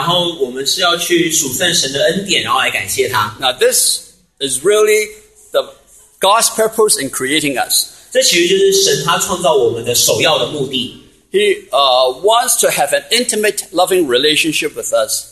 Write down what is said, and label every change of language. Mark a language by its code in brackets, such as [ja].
[zh] 这个意思是说我们的每时每刻我们都要与神同行，然后我们是要去数算神的恩典，然后来感谢他. [en] Now this is really the God's purpose in creating us. [zh] 这其实就是神他创造我们的首要的目的. [en] He wants to have an intimate, loving relationship with us.